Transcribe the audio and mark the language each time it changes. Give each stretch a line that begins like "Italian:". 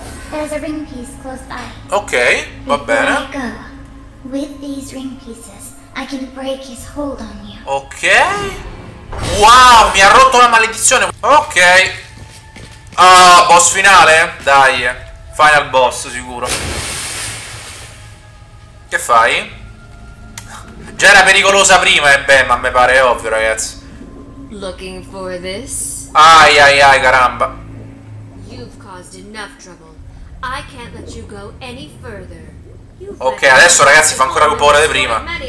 English: There's a ring piece close by. Okay,
Italian: va bene.
English: With these ring pieces, I can break his hold on you. Okay.
Italian: Wow, mi ha rotto la maledizione. Okay. Ah, boss finale? Dai.
English: Final boss,
Italian: sicuro. Che fai? Già era pericolosa prima, e beh, ma mi pare ovvio, ragazzi.
English: Looking for this? Ai ai ai, caramba. You've caused enough trouble. I can't let you go any further.
Italian: Ok, adesso ragazzi fa ancora più paura di prima.